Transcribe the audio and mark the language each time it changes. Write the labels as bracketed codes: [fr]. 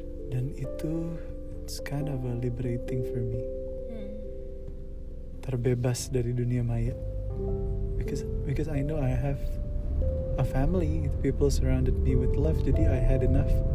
[id] Dan itu [en] it's kind of a liberating for me. [id] Terbebas dari dunia maya. [en] Because I know I have a family, people surrounded me with love, [id] jadi [en] I had enough.